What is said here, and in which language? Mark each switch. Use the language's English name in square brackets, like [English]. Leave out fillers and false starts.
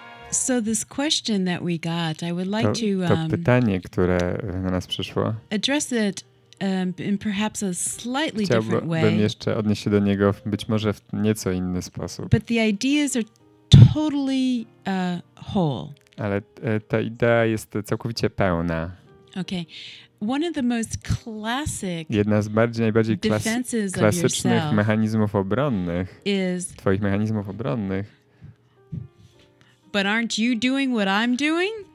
[English] So this question that we got, I would like [Polish] to pytanie, które na nas przyszło, [English] address it in perhaps a slightly different way. [Polish] Chciałbym jeszcze odnieść się do niego być może w nieco inny sposób. [English] But the ideas are totally whole. [Polish] Ale ta idea jest całkowicie pełna. [English] Okay. One of the most classic [Polish] jedna z bardziej najbardziej klasycznych mechanizmów obronnych [English] is [Polish] twoich mechanizmów obronnych. [English] But aren't you doing what I'm doing?